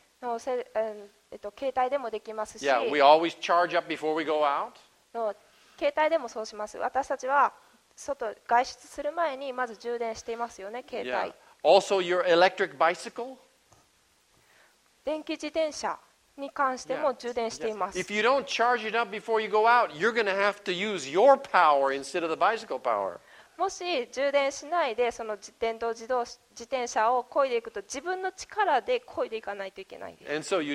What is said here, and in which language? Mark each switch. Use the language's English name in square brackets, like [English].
[Japanese] No, せ、携帯でもできますし。 [English] Yeah, we always charge up before we go out. [Japanese] No, 携帯でもそうします。私たちは外外出する前にまず充電していますよね、携帯。 [English] Yeah. Also, your electric bicycle. [Japanese] 電気自転車に関しても充電しています。 [English] Yeah. Yes. If you don't charge it up before you go out, you're going to have to use your power instead of the bicycle power. [Japanese] もし充電しないでその電動自動自転車を漕いでいくと自分の力で漕いでいかないといけないです。